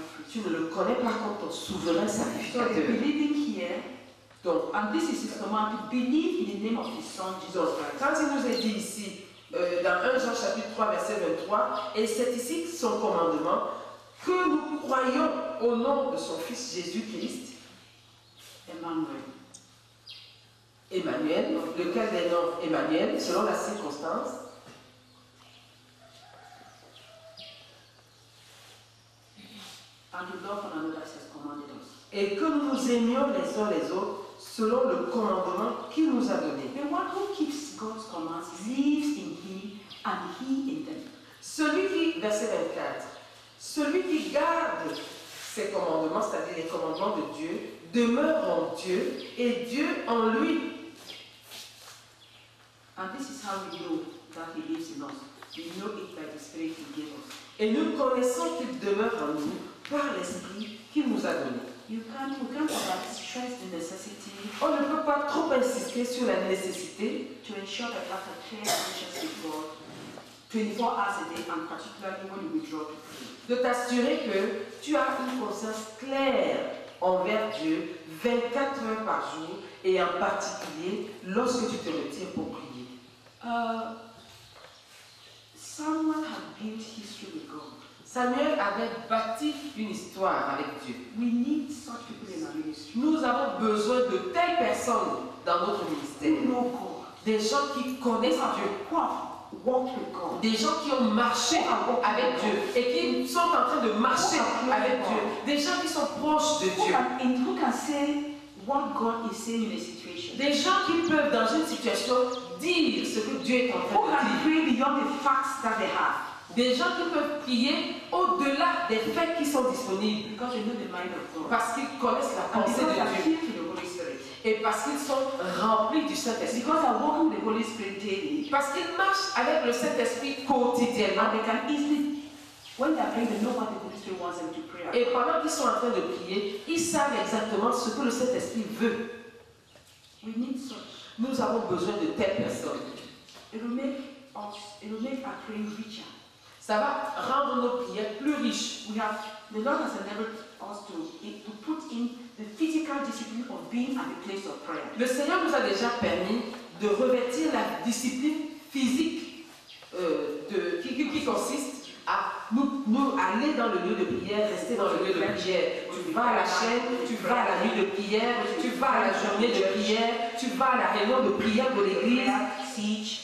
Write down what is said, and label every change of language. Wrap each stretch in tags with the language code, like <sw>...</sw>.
<fr>Tu ne le connais pas comme ton souverain sacrificateur.</fr> <en>So believing here,</en> <fr>donc,</fr> <en>and this is his command to believe in the name of his Son Jesus Christ.</en> <fr>Quand il nous est dit ici, dans 1 Jean chapitre 3, verset 23, et c'est ici son commandement, que nous croyons au nom de son Fils Jésus-Christ,</fr> <en>Emmanuel,</en> <fr>lequel des noms Emmanuel, selon la circonstance.</fr> <en>And to love one another as he has commanded us.</en> <fr>Et que nous nous aimions les uns les autres selon le commandement qu'il nous a donné.</fr> <en>The one who keeps God's commandments. commandements lives in him and he in them.</en> <fr>Celui qui, verset 24, celui qui garde ses commandements, c'est-à-dire les commandements de Dieu, demeure en Dieu et Dieu en lui.</fr> <en>And this is how we know that he lives in us. We know it by the Spirit he gave us.</en> <fr>Et nous connaissons qu'il demeure en nous par l'Esprit qu'il nous a donné.</fr> <en>You can't stress the necessity.</en> <fr>On ne peut pas trop insister sur la nécessité</fr> <en>to ensure that after prayer and worship before 24 hours a day and particularly when you withdraw to pray.</en> <fr>De t'assurer que tu as une conscience claire envers Dieu 24 heures par jour et en particulier lorsque tu te retires pour prier.</fr> <en>Someone had built history with God.</en> <fr>Samuel avait bâti une histoire avec Dieu.</fr> <en>We need such people in our ministry.</en> <fr>Nous avons besoin de telles personnes dans notre ministère.</fr> <en>Who know God.</en> <fr>Des gens qui connaissent Dieu. Quoi?</fr> <en>Walk with God.</en> <fr>Des gens qui ont marché avec Dieu et qui sont en train de marcher avec Dieu. Des gens qui sont proches de Dieu.</fr> <en>Who can say what God is saying in a situation?</en> <fr>Des gens qui peuvent dans une situation dire ce que Dieu est en train de dire.</fr> <en>Who can pray beyond the facts that they have?</en> <fr>Des gens qui peuvent prier au-delà des faits qui sont disponibles.</fr> <en>Because they know the mind of God.</en> <fr>Parce qu'ils connaissent la pensée de Dieu. Et parce qu'ils sont remplis du Saint-Esprit.</fr> <en>Because they walk with the Holy Spirit daily.</en> <fr>Parce qu'ils marchent avec le Saint-Esprit quotidiennement.</fr> <en>They can easily, when they are praying, they know what the Holy Spirit wants them to pray.</en> <fr>Et pendant qu'ils sont en train de prier, ils savent exactement ce que le Saint-Esprit veut.</fr> <en>We need such.</en> <fr>Nous avons besoin de telles personnes.</fr> <en>It will make our praying richer.</en> <fr>Ça va rendre nos prières plus riches.</fr> <en>We have, the Lord has enabled us to put in the physical discipline of being at the place of prayer.</en> <fr>Le Seigneur nous a déjà permis de revêtir la discipline physique qui consiste à nous aller dans le lieu de prière, rester dans le lieu de prière. Tu vas à la chaîne, tu vas à la nuit de prière, tu vas à la journée de prière, tu vas à la réunion de prière de l'église.</fr>